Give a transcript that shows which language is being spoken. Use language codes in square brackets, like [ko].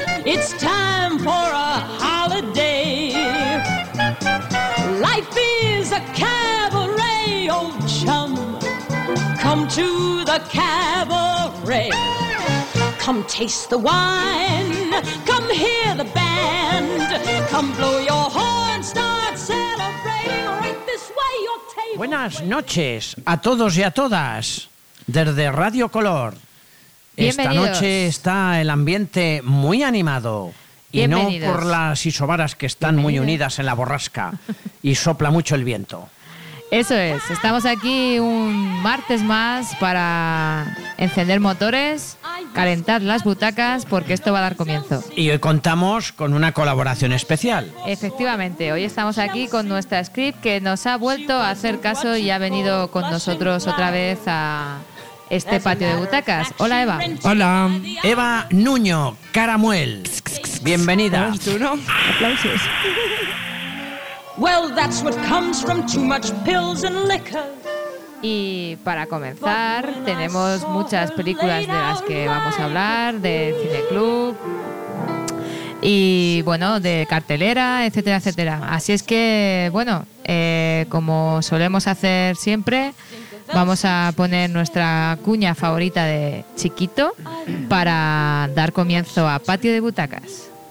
[en] It's time for a holiday. Life is a cabaret, old chum. Come to the cabaret. Come taste the wine, come hear the band, come blow your horn, start celebrating right this way your table. [es] Buenas noches a todos y a todas desde Radio Color. Esta noche está el ambiente muy animado. Y no por las isobaras que están muy unidas en la borrasca y sopla mucho el viento. Eso es, estamos aquí un martes más para encender motores, calentar las butacas, porque esto va a dar comienzo. Y hoy contamos con una colaboración especial. Efectivamente, hoy estamos aquí con nuestra script que nos ha vuelto a hacer caso y ha venido con nosotros otra vez a este patio de butacas. Hola, Eva. Hola. Eva Nuño Caramuel, bienvenida. ¿Tú, no? Aplausos. [en] Well, that's what comes from too much pills and liquor. [es] Y para comenzar, tenemos muchas películas de las que vamos a hablar, de cineclub y, bueno, de cartelera, etcétera, etcétera. Así es que, bueno, como solemos hacer siempre, vamos a poner nuestra cuña favorita de Chiquito para dar comienzo a Patio de Butacas.